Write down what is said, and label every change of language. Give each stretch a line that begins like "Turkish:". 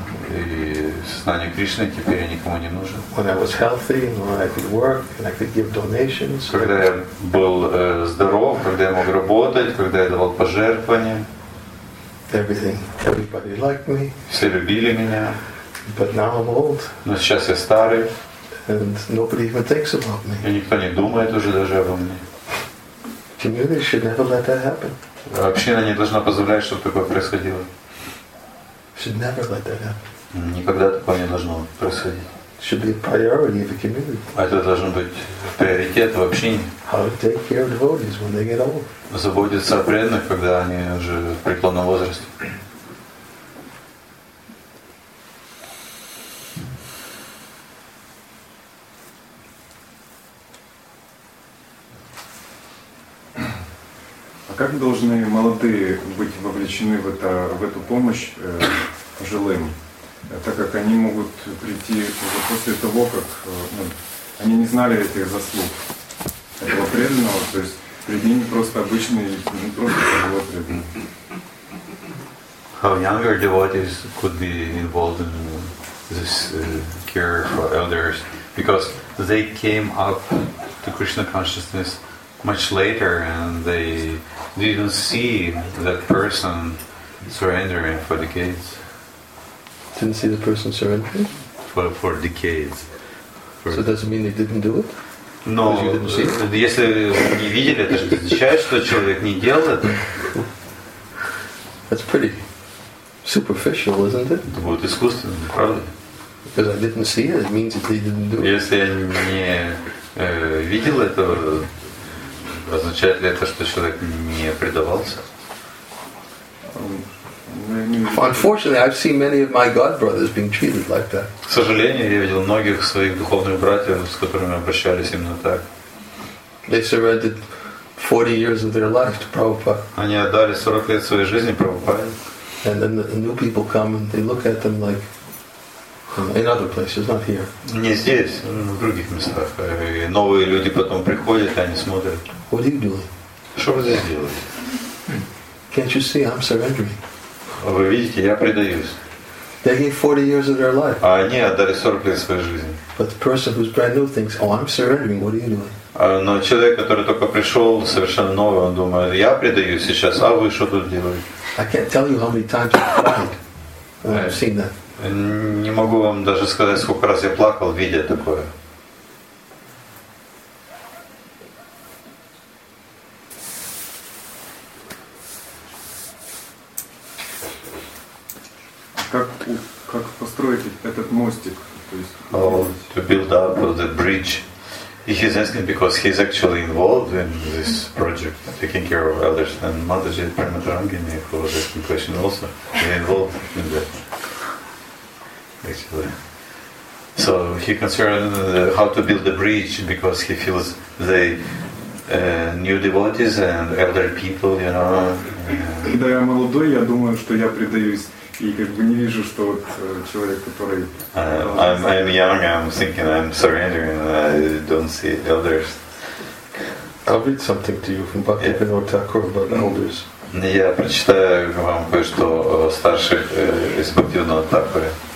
Russian: и знание Кришны теперь я никому не нужен.
English: When I was healthy, when I could work, and I could give donations.
Russian: Когда я был здоров, когда я мог работать, когда я давал пожертвования.
English: Everything. Everybody liked me.
Russian: Все любили меня.
English: But now I'm old.
Russian: Но сейчас я старый.
English: And nobody even thinks about me.
Russian: И никто не думает уже даже обо мне.
English: Community should never let that happen.
Russian: Община не должна позволять, чтобы такое происходило.
English: Should never let that happen.
Russian: Никогда такое не должно происходить.
English: Should be a priority of the community.
Russian: Это должен быть приоритет в общине.
English: How to take care of devotees when they get old.
Russian: Заботиться о преданных, когда они уже в преклонном возрасте. Как должны молодые быть вовлечены в это, в эту помощь пожилым, так как они могут прийти уже после того, как они не знали этих заслуг этого преданного, то есть перед ними просто обычный, не просто его преданный.
English: How younger devotees could be involved in this care for elders, because they came up to Krishna consciousness much later and they didn't see that person surrendering for decades. Didn't see the person surrendering? For decades. For so does it mean they didn't do it? No.
Russian: Если не видели, это же означает, что человек не делал это.
English: That's pretty superficial, isn't it?
Russian: Это будет искусственно, правда?
English: Because I didn't see it, it means that they didn't do it.
Russian: Если я не видел это, означает ли это, что человек не предавался?
English: Unfortunately, I've seen many of my god brothers being treated like that.
Russian: К сожалению, я видел многих своих духовных братьев, с которыми обращались именно так.
English: They surrendered 40 years of their life to Prabhupada.
Russian: Они отдали 40 лет своей жизни Прабхупаде.
English: And then the new people come and they look at them like in other places, not here.
Russian: Не здесь, в других местах. И новые люди потом приходят, и они смотрят.
English: What are you doing?
Russian: Что вы здесь делаете?
English: Can't you see I'm surrendering?
Russian: Вы видите, я предаюсь.
English: They gave 40 years of their life.
Russian: А они отдали 40 лет своей жизни.
English: But the person who's brand new thinks, oh, I'm surrendering. What are you doing?
Russian: Но человек, который только пришел, совершенно новый, он думает, я предаюсь сейчас, а вы что тут делаете?
English: I can't tell you how many times I've cried. I've seen that.
Russian: Не могу вам даже сказать, сколько раз я плакал, видя такое. Как построить этот мостик? То есть,
English: how to build up the bridge. He's asking because he's actually involved in this project, taking care of elders. And Mataji Premadrangini, who was asking question also, he's involved in that. Actually. So he concerned how to build the bridge because he feels the new devotees and elder people, you know.
Russian: Когда я молодой, я думаю, что я предаюсь. И как бы не вижу, что вот человек, который
English: I'm young, I'm thinking I'm surrendering, I don't see elders. I'll read something to you from Bhaktivinoda Thakur about elders.
Russian: Я прочитаю вам кое-что о старших из Бхактивинода Такура.